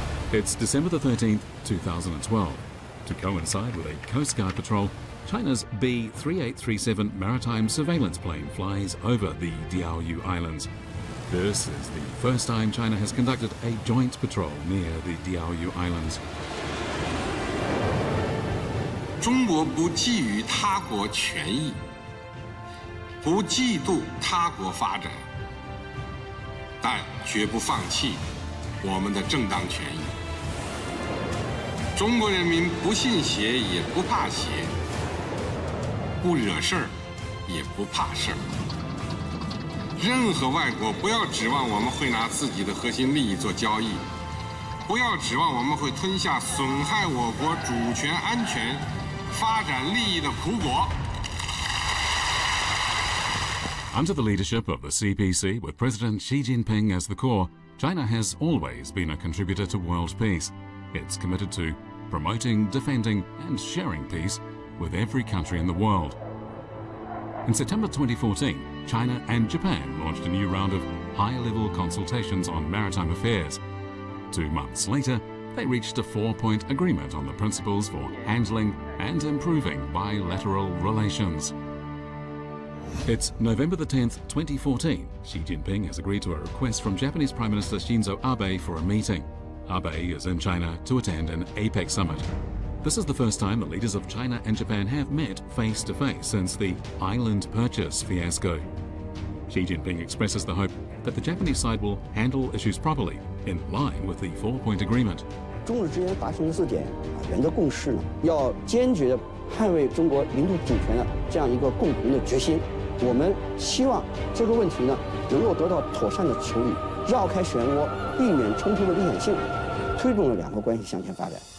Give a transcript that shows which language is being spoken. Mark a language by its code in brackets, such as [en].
[en] It's December the 13th, 2012. To coincide with a Coast Guard patrol, China's B-3837 maritime surveillance plane flies over the Diaoyu Islands. This is the first time China has conducted a joint patrol near the Diaoyu Islands. [zh] 中国不觊觎他国权益，不嫉妒他国发展，但绝不放弃我们的正当权益。中国人民不信邪也不怕邪，不惹事儿也不怕事儿。任何外国不要指望我们会拿自己的核心利益做交易，不要指望我们会吞下损害我国主权安全发展利益的苦果。 [en] Under the leadership of the CPC, with President Xi Jinping as the core, China has always been a contributor to world peace. It's committed to promoting, defending, and sharing peace with every country in the world. In September 2014, China and Japan launched a new round of high-level consultations on maritime affairs. 2 months later, they reached a four-point agreement on the principles for handling and improving bilateral relations. It's November the 10th, 2014. Xi Jinping has agreed to a request from Japanese Prime Minister Shinzo Abe for a meeting. Abe is in China to attend an APEC summit. This is the first time the leaders of China and Japan have met face to face since the island purchase fiasco. Xi Jinping expresses the hope that the Japanese side will handle issues properly, in line with the four-point agreement. [zh] 中日之间达成的四点原则共识呢，要坚决地捍卫中国领土主权的这样一个共同的决心。我们希望这个问题呢能够得到妥善的处理，绕开漩涡，避免冲突的危险性，推动了两国关系向前发展。